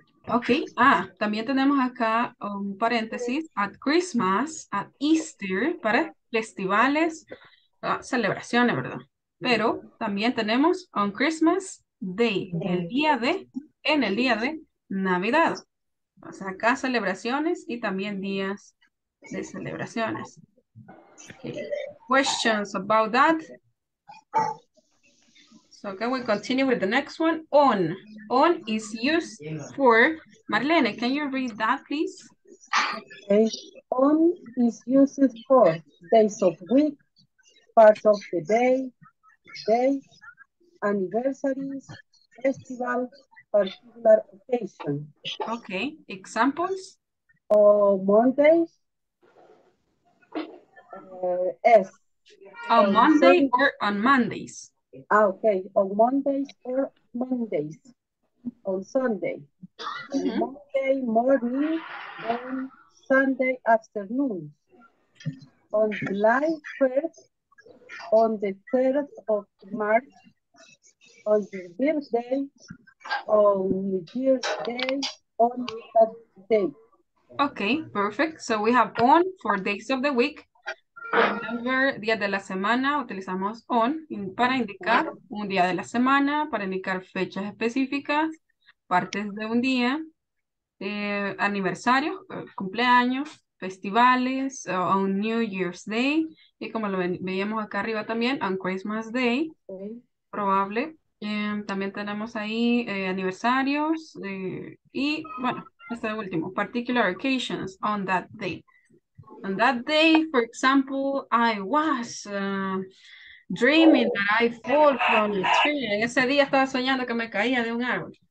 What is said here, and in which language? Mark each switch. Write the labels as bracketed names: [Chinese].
[Spanish] Ok, ah, también tenemos acá un paréntesis, [English] at Christmas, at Easter, [Spanish] para festivales, celebraciones, ¿verdad? Pero también tenemos [English] on Christmas Day, [Spanish] el día de, en el día de Navidad. O sea, acá celebraciones y también días de celebraciones. [English] Okay. Questions about that? So can we continue with the next one? On. On is used for, Marlene, can you read that please? Okay. On is used for days of week, parts of the day, days, anniversaries, festival, particular occasion. Okay, examples? Oh, Monday. Yes. On Monday or on Mondays? Ah, okay, on Mondays or Mondays, on Sunday, mm-hmm. Monday morning, on Sunday afternoon, on July 1st, on the 3rd of March, on the birthday, on New Year's Day, on that day. Okay, perfect. So we have on for days of the week. Remember, [Spanish] día de la semana, utilizamos on para indicar un día de la semana, para indicar fechas específicas, partes de un día, aniversarios, cumpleaños, festivales, [English] on New Year's Day, [Spanish] y como lo veíamos acá arriba también, [English] on Christmas Day, [Spanish] probable. También tenemos ahí aniversarios, y bueno, este es el último, [English] particular occasions on that day. On that day, for example, I was dreaming that I fall from a tree. [Spanish] En ese día estaba soñando que me caía de un árbol.